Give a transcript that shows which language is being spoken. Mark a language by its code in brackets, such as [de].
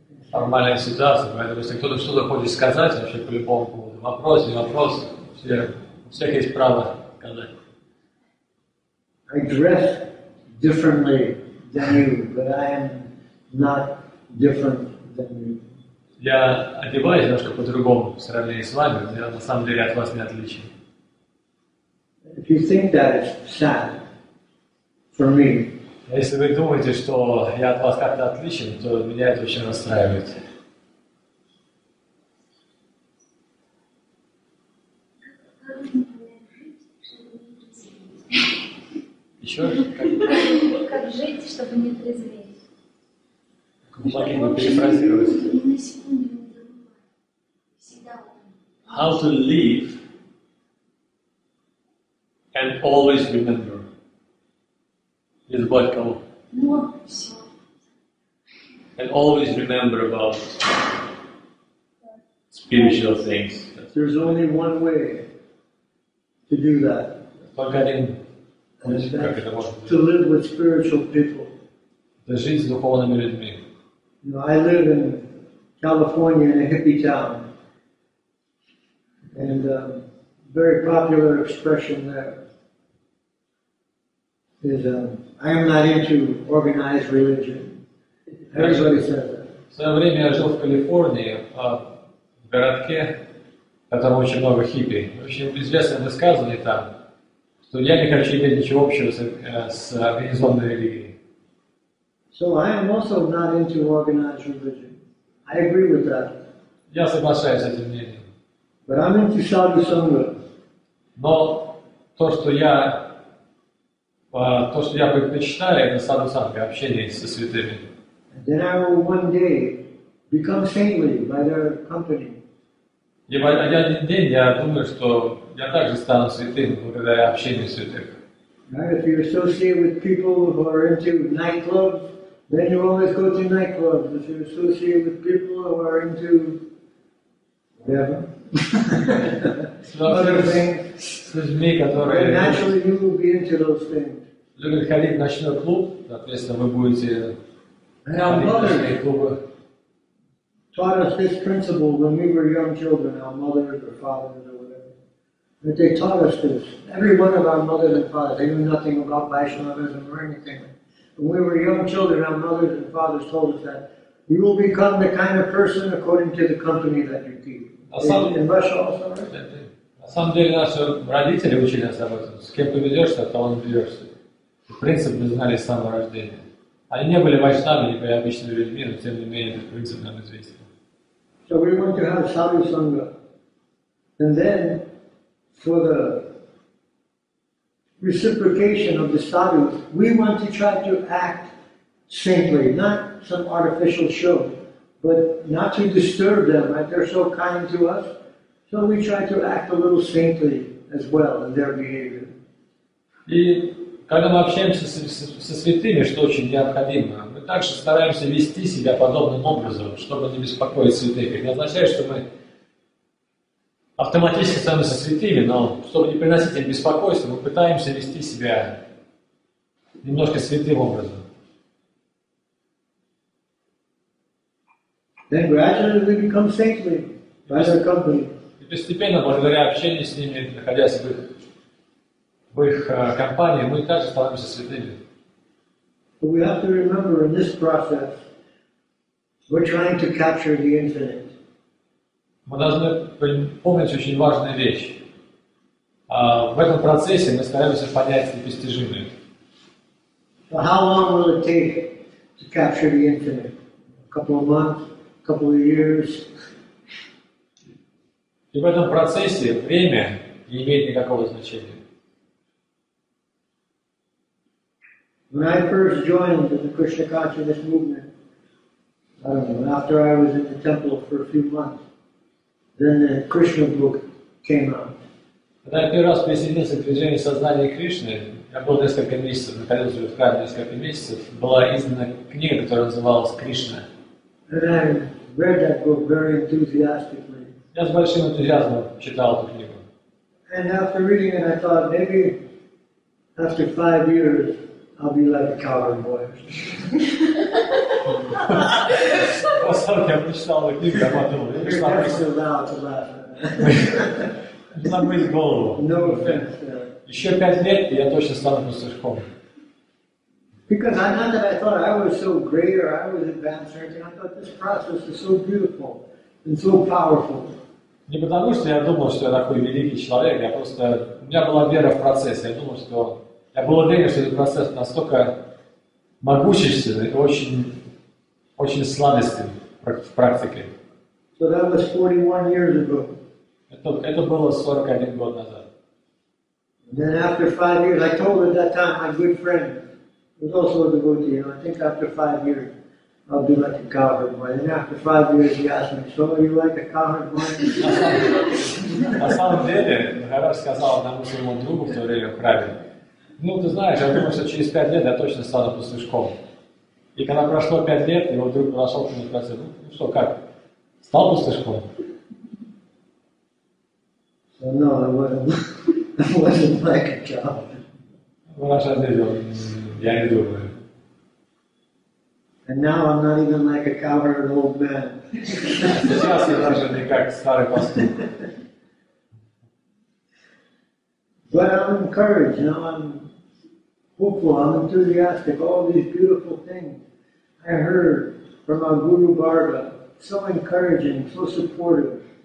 [ru] Формальная ситуация, поэтому если кто-то что-то хочет сказать, вообще по любому поводу, вопрос, не вопрос, у всех есть право сказать. [en] I dress differently than you, but I am not different than you. [ru] Я одеваюсь немножко по-другому в сравнении с вами, но я на самом деле от вас не отличен. [en] If you think that is sad for me, [ru] если вы думаете, что я от вас как-то отличен, то меня это очень расстраивает. Еще? Как жить, чтобы не трезветь? [en] How to live and always remember is what go. And always remember about spiritual things. There's only one way to do that. To live with spiritual people. [ru] The жизнь с духовными людьми. [en] You know, I live in California in a hippie town, and a very popular expression there is, I am not into organized religion. Everybody said that. [ru] В свое время я жил в Калифорнии, в городке, там очень много хиппи. В общем, известное высказывание там, что я не хочу иметь ничего общего с организованной религией. [en] So I am also not into organized religion. I agree with that. [ru] Я соглашаюсь с этим мнением. [en] But I'm into Sadhu Sangha. [ru] Но то, что я предпочитаю, это Sadhu Sangha, общение со святыми. [en] Then I will one day become saintly by their company. [ru] И в один день я думаю, что я также стану святым благодаря общению святых. [en] Right, if you associate with people who are into nightclubs, then you always go to nightclubs. If you associate with people who are into other things, naturally you will be into those things. [ru] Любит ходить в ночной клуб, соответственно, вы будете ходить в ночные клубы. [en] Taught us this principle when we were young children, our mothers or fathers or whatever. But they taught us this. Every one of our mothers and fathers, they knew nothing about Vaishnavism or anything. When we were young children, our mothers and fathers told us that you will become the kind of person according to the company that you keep. In Russia also, right? [ru] На самом деле, наши родители учили нас об этом. С кем поведешься, то он ведешься. Принцип мы знали с самого рождения. Они не были вайшнавами, не были обычными людьми, но тем не менее, этот принцип нам известен. [en] So we want to have Sadhu Sangha. And then, for the reciprocation of the sadhu, we want to try to act saintly, not some artificial show, but not to disturb them, right? They're so kind to us. So we try to act a little saintly as well in their behavior. [ru] И когда мы общаемся со святыми, что очень необходимо, мы также стараемся вести себя подобным образом, чтобы не беспокоить святых. Это не означает, что мы автоматически становимся со святыми, но чтобы не приносить им беспокойство, мы пытаемся вести себя немножко святым образом. [en] Then gradually we become saintly by their company. [ru] И постепенно, благодаря общению с ними, находясь в их компании, мы также становимся святыми. [en] But we have to remember in this process, we're trying to capture the infinite. [ru] Мы должны помнить очень важную вещь. В этом процессе мы стараемся понять непостижимое. [en] So how long will it take to capture the infinite? A couple of months? A couple of years? [ru] И в этом процессе время не имеет никакого значения. [en] When I first joined the Krishna consciousness movement, I don't know, after I was in the temple for a few months, then the Krishna book came out. [ru] Когда я первый раз присоединился к движению сознания Кришны, я был несколько месяцев, находился в храме несколько месяцев, была издана книга, которая называлась «Кришна». [en] And I read that book very enthusiastically. [ru] Я с большим энтузиазмом читал эту книгу. [en] And after reading it, I thought, maybe after 5 years, I'll be like a cowherd boy. [ru] Я прочитал эту книгу, я подумал, я прочитал. [en] You're never allowed to laugh. [ru] Забыть голову. [en] No offense. [ru] Еще 5 лет, и я точно стану пастушком. [en] Because I not that I thought I was so great or I was advanced or anything, I thought this process is so beautiful and so powerful. [ru] Не потому что я думал, что я такой великий человек, я просто у меня была вера в процесс. Я думал, что я был уверен, что этот процесс настолько могущественный и очень, очень сладостный в практике. [en] So that was 41 years ago. [ru] Это было 41 год назад. [en] And then after 5 years, I told at that time my good friend. It was also a devotee, and I think after 5 years, I'll be like a cowherd boy. And after 5 years, he asked me, so are you like a cowherd boy? [ru] На самом деле, Махарадж сказал одному своему другу в то время в храме, ну, ты знаешь, я думаю, что через 5 лет я точно стану пастушком. И когда прошло 5 лет, его друг подошел к нему и сказал, ну, что, как, стал пастушком? [en] So, no, I wasn't like a cowherd. [ru] Махарадж ответил, я не думаю. [en] And now I'm not even like a cowherd old man. [ru] Сейчас я даже не как старый пастух. [en] But I'm encouraged, you know, I'm hopeful, I'm enthusiastic. All these beautiful things I heard from our Guru Bhargava. So encouraging, so supportive.